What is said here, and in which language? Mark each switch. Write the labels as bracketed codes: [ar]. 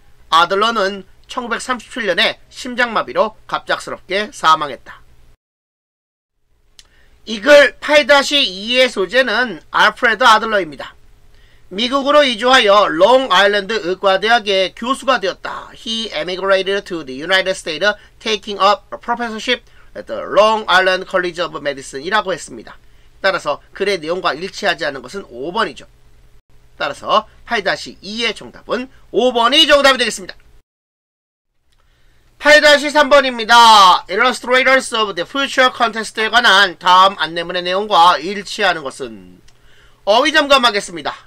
[ko] 아들러는 1937년에 심장마비로 갑작스럽게 사망했다. 이 글 8-2의 소재는 알프레드 아들러입니다. 미국으로 이주하여 롱아일랜드 의과대학의 교수가 되었다. [en] He emigrated to the United States, taking up a professorship at the Long Island College of Medicine [ko] 이라고 했습니다. 따라서 글의 내용과 일치하지 않은 것은 5번이죠. 따라서 8-2의 정답은 5번이 정답이 되겠습니다. 8-3번입니다. Illustrators of the Future Contest에 관한 다음 안내문의 내용과 일치하는 것은 어휘점검하겠습니다.